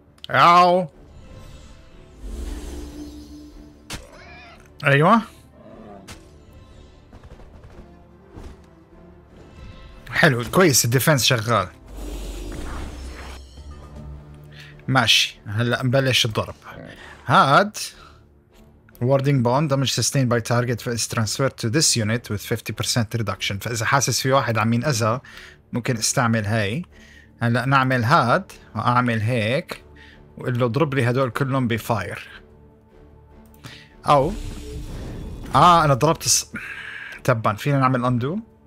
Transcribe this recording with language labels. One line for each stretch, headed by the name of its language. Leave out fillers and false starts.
Arabic: أو ايوه حلو كويس، الديفنس شغال ماشي. هلا نبلش الضرب.
English: هاد Warding bond, damage sustained by target is transferred to this unit with 50% reduction.
Arabic: فإذا حاسس في واحد عم ينأذى ممكن استعمل هاي. هلا نعمل هاد واعمل هيك وقول له اضرب لي هدول كلهم بفاير. او انا ضربت تبا، فينا نعمل اندو.